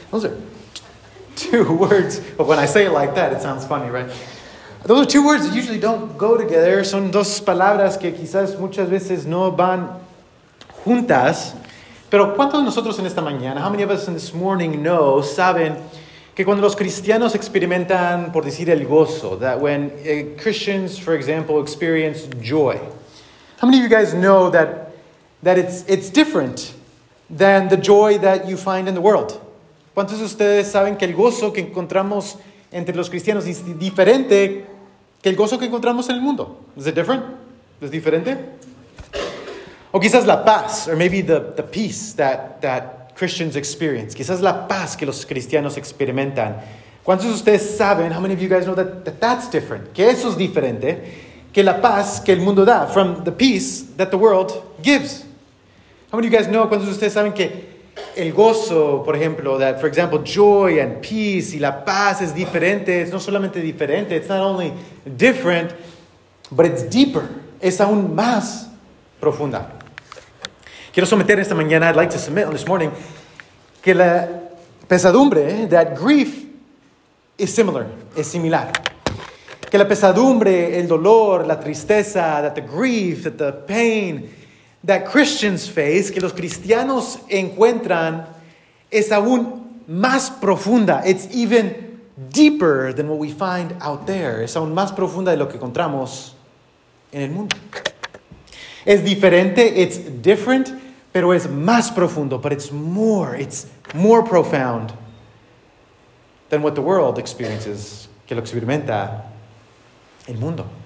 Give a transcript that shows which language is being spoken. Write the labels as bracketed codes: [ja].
[en] Those are two words, but when I say it like that, it sounds funny, right? Those are two words that usually don't go together. [es] Son dos palabras que quizás muchas veces no van juntas. Pero ¿cuántos de nosotros en esta mañana, [en] how many of us in this morning know, [es] saben que cuando los cristianos experimentan, por decir, el gozo, [en] that when Christians, for example, experience joy, how many of you guys know that it's different than the joy that you find in the world? [es] ¿Cuántos de ustedes saben que el gozo que encontramos entre los cristianos es diferente que el gozo que encontramos en el mundo? [en] Is it different? [es] ¿Es diferente? O quizás la paz, [en] or maybe the peace that Christians experience. [es] Quizás la paz que los cristianos experimentan. ¿Cuántos de ustedes saben, [en] how many of you guys know that's different? [es] Que eso es diferente que la paz que el mundo da, [en] from the peace that the world gives. How many of you guys know, [es] cuántos de ustedes saben que el gozo, por ejemplo, [en] that, for example, joy and peace [es] y la paz es diferente, es no solamente diferente, [en] it's not only different, but it's deeper, [es] es aún más profunda. Quiero someter esta mañana, [en] I'd like to submit on this morning, [es] que la pesadumbre, [en] that grief, is similar, [es] es similar. Que la pesadumbre, el dolor, la tristeza, [en] that the grief, that the pain, that Christians face, [es] que los cristianos encuentran, es aún más profunda. [en] It's even deeper than what we find out there. [es] Es aún más profunda de lo que encontramos en el mundo. Es diferente, [en] it's different, [es] pero es más profundo. [en] But it's more profound than what the world experiences, [es] que lo experimenta el mundo.